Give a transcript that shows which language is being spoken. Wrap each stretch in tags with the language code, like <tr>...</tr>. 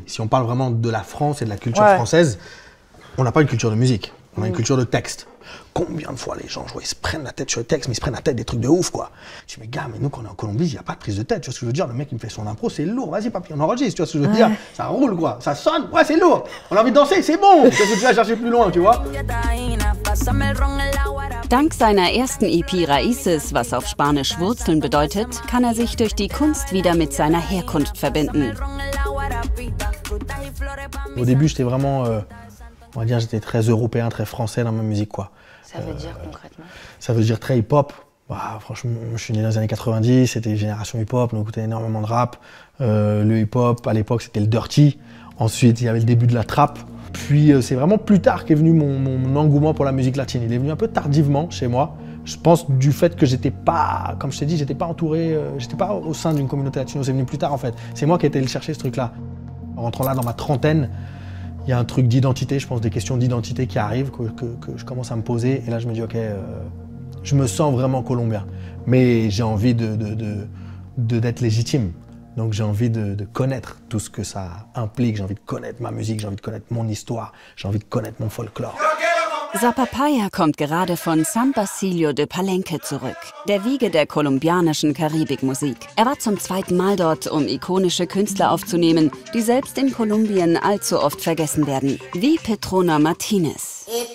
<fr>Si on parle vraiment de la France et de la culture française, on n'a pas une culture de musique, on a une culture de texte. Combien de fois les gens, je vois, ils se prennent la tête sur le texte, mais ils se prennent la tête des trucs de ouf quoi. Je dis, mais gars, mais nous quand on est en Colombie, il n'y a pas de prise de tête, tu vois ce que je veux dire? Le mec il me fait son impro, c'est lourd, vas-y papy, on enregistre, tu vois ce que je veux dire? Ça roule quoi, ça sonne, ouais, c'est lourd, on a envie de danser, c'est bon, tu vois ce que tu vas chercher plus loin, tu vois?</fr> <de>Dank seiner ersten EP Raíces, was auf Spanisch Wurzeln bedeutet, kann er sich durch die Kunst wieder mit seiner Herkunft verbinden.</de> <fr>Au début, j'étais vraiment, on va dire, j'étais très européen, très français dans ma musique, quoi. Ça veut dire concrètement? Ça veut dire très hip-hop. Bah, franchement, je suis né dans les années 90, c'était une génération hip-hop, on écoutait énormément de rap. Le hip-hop, à l'époque, c'était le dirty. Ensuite, il y avait le début de la trap. Puis, c'est vraiment plus tard qu'est venu mon engouement pour la musique latine. Il est venu un peu tardivement chez moi. Je pense du fait que j'étais pas, comme je t'ai dit, j'étais pas entouré, j'étais pas au sein d'une communauté latino. C'est venu plus tard, en fait. C'est moi qui étais allé chercher ce truc-là. En rentrant là, dans ma trentaine, il y a un truc d'identité, je pense, des questions d'identité qui arrivent, que je commence à me poser. Et là, je me dis, OK, je me sens vraiment colombien, mais j'ai envie d'être légitime. Donc j'ai envie de connaître tout ce que ça implique, j'ai envie de connaître ma musique, j'ai envie de connaître mon histoire, j'ai envie de connaître mon folklore.</fr> <de>Zapapaya kommt gerade von San Basilio de Palenque zurück, der Wiege der kolumbianischen Karibikmusik. Er war zum zweiten Mal dort, um ikonische Künstler aufzunehmen, die selbst in Kolumbien allzu oft vergessen werden, wie Petrona Martinez.</de>